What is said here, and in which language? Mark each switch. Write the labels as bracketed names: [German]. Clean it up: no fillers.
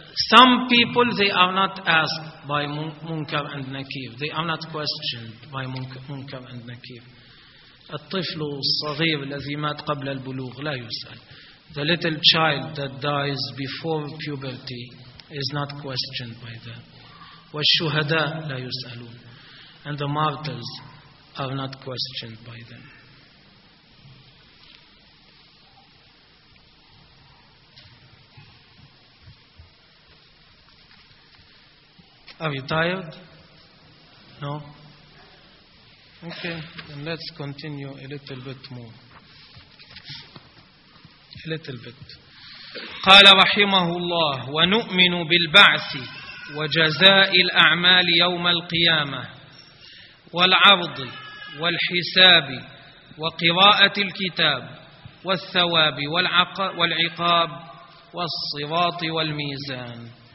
[English] Some people, they are not asked by Munkar and Nakir. They are not questioned by Munkar and Nakir. [Arabic] الطفل الصغير الذي مات قبل البلوغ لا يسأل. [English] The little child that dies before puberty is not questioned by that. [Arabic] والشهداء لا يسألون. [English] And the martyrs are not questioned by them. Are you tired? No? Okay, then let's continue a little bit more. A little bit. [Arabic] قال رحمه الله ونؤمن بالبعث وجزاء الأعمال يوم القيامة والعرض والحساب وقراءة الكتاب والثواب والعقاب والصراط والميزان.